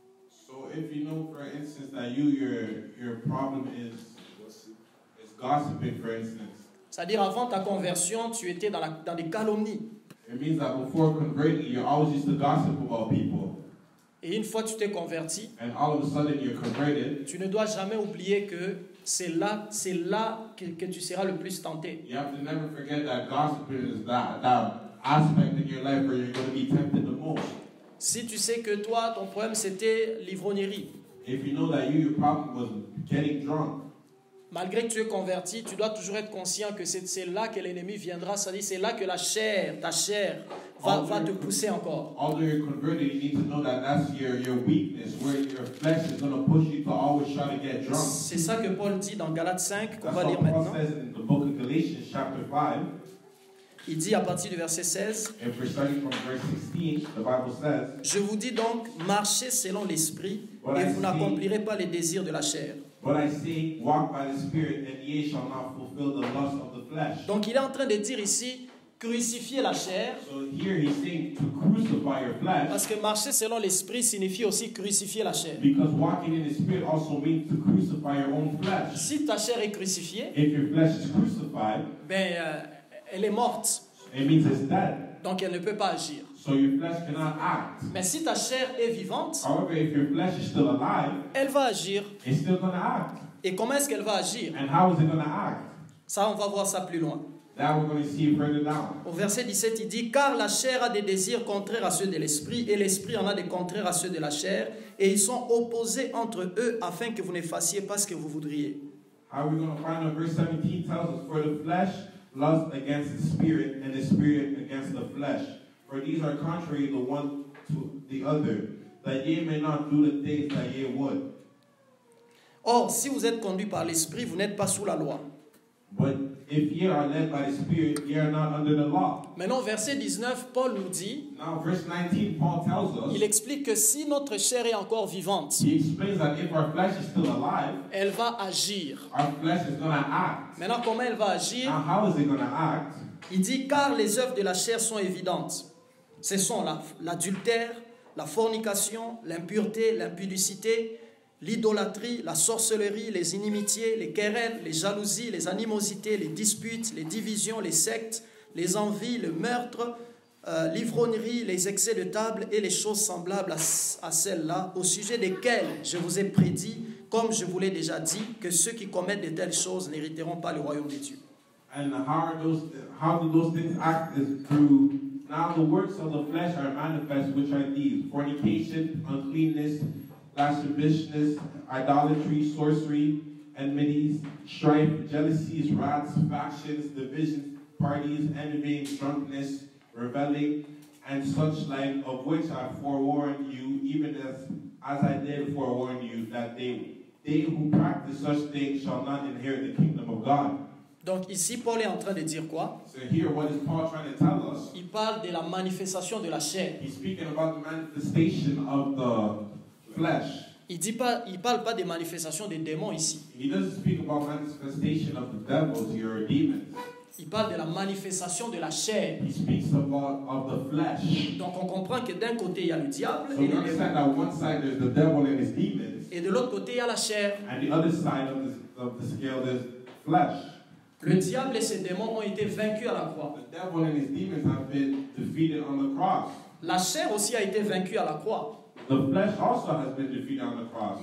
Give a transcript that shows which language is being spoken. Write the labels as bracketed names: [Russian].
[English] So if you know for instance that your problem is gossiping for instance. [French] C'est-à-dire avant ta conversion tu étais dans les calomnies. [English] It means that before converting, you always used to gossip about people. [French] Et une fois que tu t'es converti, [English] and all of a sudden you're converted, [French] tu ne dois jamais oublier que c'est là que tu seras le plus tenté. [English] You have to never forget that gossip is that aspect in your life where you're going to be tempted the most. [French] Si tu sais que toi, ton problème, c'était l'ivrognerie. [English] If you know that you, your problem was getting drunk. [French] Malgré que tu es converti, tu dois toujours être conscient que c'est là que l'ennemi viendra, c'est-à-dire c'est là que la chair, ta chair, va te pousser encore. [English] Although you're converted, you need to know that that's your weakness, where your flesh is going to push you to always try to get drunk. [French] C'est ça que Paul dit dans Galates 5, qu'on va lire maintenant. [English] That's what Paul says in the book of Galatians, chapter 5. [French] Il dit à partir du verset 16, [English] if we're starting from verse 16, the Bible says, [French] je vous dis donc, marchez selon l'esprit, et vous n'accomplirez pas les désirs de la chair. [English] But I say, walk by the Spirit, and ye shall not fulfill the lust of the flesh. [French] Donc il est en train de dire ici, crucifiez la chair. [English] So here he's saying to crucify your flesh. [French] Parce que marcher selon l'esprit signifie aussi crucifier la chair. [English] Because walking in the Spirit also means to crucify your own flesh. [French] Si ta chair est crucifiée, [English] if your flesh is crucified, [French] ben elle est morte. [English] It means it's dead. [French] Donc elle ne peut pas agir. [English] So your flesh cannot act. [French] Mais si ta chair est vivante, [English] however, if your flesh is still alive, [French] elle va agir. [English] It's still gonna act. [French] Et comment est-ce qu'elle va agir? [English] And how is it gonna act? [French] Ça, on va voir ça plus loin. [English] That we're gonna see further down. [French] Au verset 17, il dit, car la chair a des désirs contraires à ceux de l'esprit, et l'esprit en a des contraires à ceux de la chair, et ils sont opposés entre eux afin que vous ne fassiez pas ce que vous voudriez. [English] How are we gonna find out? Verse 17 tells us, for the flesh lust against the spirit, and the spirit against the flesh. For these are contrary the one to the other, that ye may not do the things that ye would. [French] Or, si vous êtes conduit par l'esprit, vous n'êtes pas sous la loi. [English] But if ye are led by the spirit, ye are not under the law. [French] Maintenant, verset 19, Paul nous dit, [English] now, verse 19, Paul tells us, [French] il explique que si notre chair est encore vivante, [English] he explains that if our flesh is still alive, [French] elle va agir. [English] Our flesh is going to act. [French] Maintenant, comment elle va agir? [English] Now, how is it going to act? [French] Il dit, car les œuvres de la chair sont évidentes. Ce sont l'adultère, la fornication, l'impureté, l'impudicité, l'idolâtrie, la sorcellerie, les inimitiés, les querelles, les jalousies, les animosités, les disputes, les divisions, les sectes, les envies, le meurtre, l'ivrognerie, les excès de table et les choses semblables à celles-là, au sujet desquelles je vous ai prédit, comme je vous l'ai déjà dit, que ceux qui commettent de telles choses n'hériteront pas le royaume de Dieu. [English] And how do those things act is through, now the works of the flesh are manifest, which are these: fornication, uncleanness, lasciviousness, idolatry, sorcery, enmities, strife, jealousies, wrath, factions, divisions, parties, envying, drunkenness, rebelling, and such like, of which I forewarned you, even as I did forewarn you, that they who practice such things shall not inherit the kingdom of God. [French] Donc ici, Paul est en train de dire quoi? [English] So here, what is Paul trying to tell us? [French] Il parle de la manifestation de la chair. [English] He's speaking about the manifestation of the flesh. [French] Il parle pas des manifestations des démons ici. [English] He doesn't speak about manifestation of the devils, your demons. [French] Il parle de la manifestation de la chair. [English] He speaks about of the flesh. [French] Donc on comprend que d'un côté, il y a le diable. [English] So we understand that one side there's the devil and his demons. [French] Et de l'autre côté, il y a la chair. [English] And the other side of the scale is flesh. [French] Le diable et ses démons ont été vaincus à la croix. [English] The devil and his demons have been defeated on the cross. [French] La chair aussi a été vaincue à la croix. [English] The flesh also has been defeated on the cross.